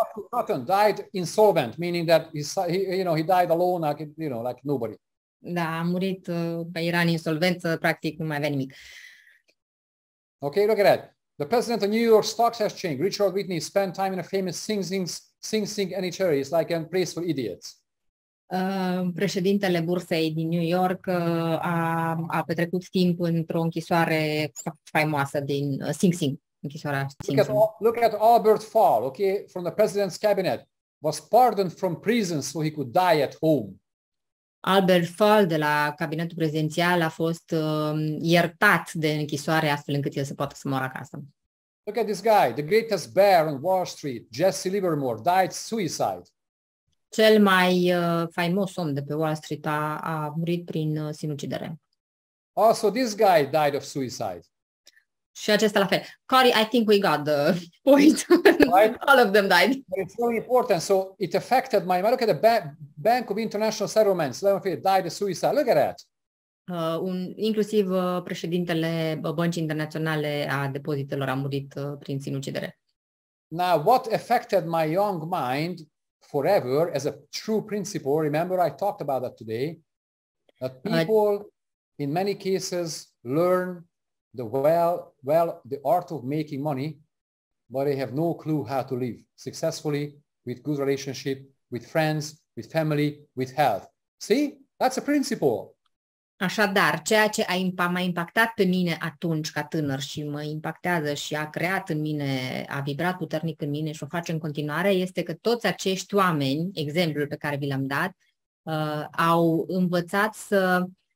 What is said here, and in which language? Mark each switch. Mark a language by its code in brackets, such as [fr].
[en] Cotton died insolvent, meaning that he died alone, like nobody. [ro] Da, a murit, era în insolvență, practic nu mai avea nimic. [en] Okay, look at that. The president of New York Stock Exchange, Richard Whitney, spent time in a famous Sing Sing NHRA. It's like a place for idiots. [ro] Președintele bursei din New York a petrecut timp într-o închisoare faimoasă din Sing Sing. [en] Look at Albert Fall, okay, from the president's cabinet, was pardoned from prison so he could die at home. [ro] Albert Fall de la cabinetul prezidențial a fost iertat de închisoare astfel încât el să poată să moară acasă. [en] Look at this guy, the greatest bear on Wall Street, Jesse Livermore, died suicide. [ro] Cel mai faimos om de pe Wall Street a murit prin sinucidere. [en] Also, this guy died of suicide. [ro] Și acesta la fel. [en] Cory, I think we got the point. Right. All of them died. It's so important. So it affected my mind. Look at the Bank of International Settlements. Levenfield died of suicide. Look at that. [ro] Inclusiv președintele Băncii Internaționale a Depozitelor a murit prin sinucidere. [en] Now, what affected my young mind forever as a true principle, remember I talked about that today, that people in many cases learn the art of making money, but they have no clue how to live successfully with good relationship, with friends, with family, with health. See? That's a principle. [ro] Așadar, ceea ce m-a impactat pe mine atunci ca tânăr și mă impactează și a creat în mine, a vibrat puternic în mine și o face în continuare, este că toți acești oameni, exemplul pe care vi l-am dat, au învățat să...